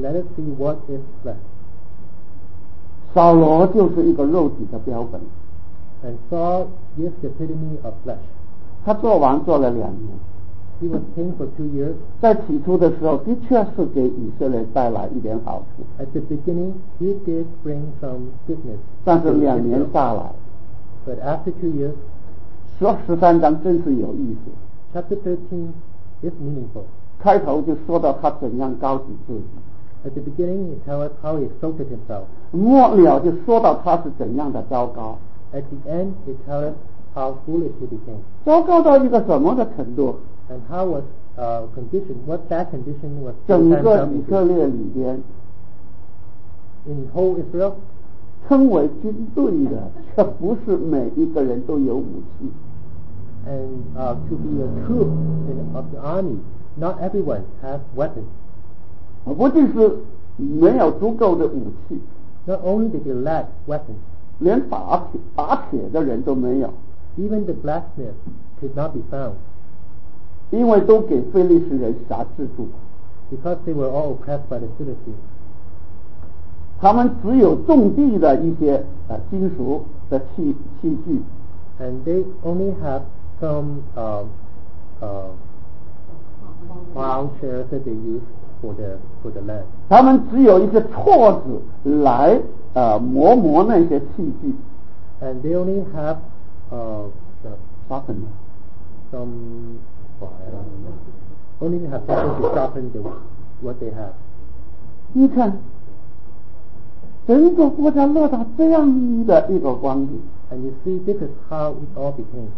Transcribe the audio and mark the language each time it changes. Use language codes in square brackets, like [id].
[en] Let us see what is flesh. [zh] 扫罗就是一个肉体的标本。 [en] And Saul is the epitome of flesh. [zh] 他做王做了两年。 [en] He was king for 2 years. [zh] 在起初的时候，的确是给以色列带来一点好处。 [en] At the beginning, he did bring some goodness. [zh] 但是两年下来。 [en] But after 2 years, [zh] 13章真是有意思。 [en] Chapter 13. It's meaningful. [zh] 开头就说到他怎样高举自己。 [en] At the beginning, he tells us how he exalted himself. [zh] 末了就说到他是怎样的糟糕。 [en] At the end, he tells us how foolish he became. [zh] 糟糕到一个什么的程度 [en] ？And how was condition? What that condition was? [zh] 整个以色列里边 [en] ，in whole Israel, [zh] 称为军队的，却不是每一个人都有武器。 [en] And to be a troop of the army, not everyone has weapons. [zh] 不仅是没有足够的武器。 [en] Not only did they lack weapons. [zh] 连打铁的人都没有。 [en] Even the blacksmith could not be found. [zh] 因为都给非利士人辖制住。 [en] Because they were all oppressed by the Philistines. [zh] 他们只有种地的一些金属的器具。 [en] And they only have. Some plow chairs that they use for the land. [zh] 他们只有一些锉子来磨磨那些器具。 [en] And they only have the sharpen some file. Only have people to sharpen the what they have. [zh] 你看，整个国家落到这样的一个光景。 [en] And you see, this is how it all became.